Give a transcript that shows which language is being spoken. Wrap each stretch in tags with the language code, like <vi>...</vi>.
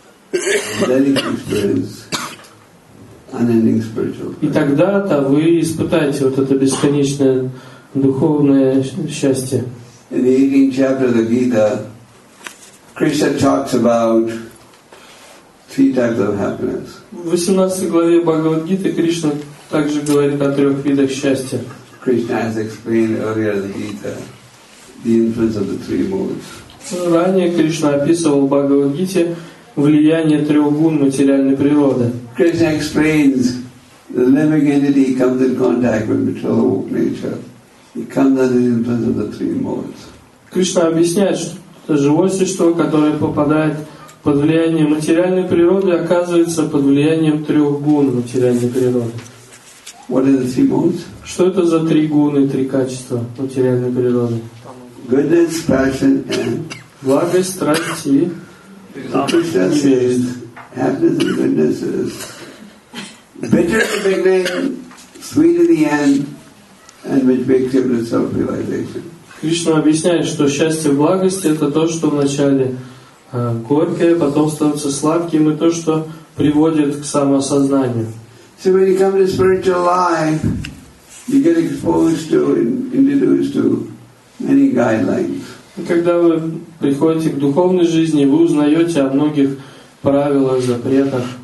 <ru>И тогда-то вы испытаете вот это бесконечное духовное счастье.</ru> <en>In the 18th chapter of the Gita, Krishna talks about three types of happiness.</en> <ru>В 18 главе Бхагавад-гиты Кришна также говорит о трех видах счастья.</ru> <en>Krishna has explained earlier in the Gita the influence of the three modes.</en> <ru>Ранее Кришна описывал в Бхагавад-гите влияние трех гун материальной природы.</ru> <en>Krishna explains the living entity comes in contact with material nature. It comes under the influence of the three modes.</en> <ru>Кришна объясняет, что живое существо, которое попадает под влиянием материальной природы, оказывается под влиянием трех гун материальной природы.</ru> <en>What are the three modes?</en> <ru>Что это за три гуны, три качества материальной природы?</ru> <en>Goodness, passion, and</en> <ru>благость, страсть и</ru> <en>Krishna says, happiness and goodness is bitter in the beginning, sweet in the end, and which makes him the self-realization.</en> <ru>Krishna объясняет, что счастье и благость это то, что вначале горькое, потом становится сладким, и то, что приводит к самоосознанию.</ru> <en>So when you come to spiritual life, you get exposed to and introduced to many guidelines.</en> <ru>Когда вы приходите к духовной жизни, вы узнаете о многих правилах, запретах.</ru>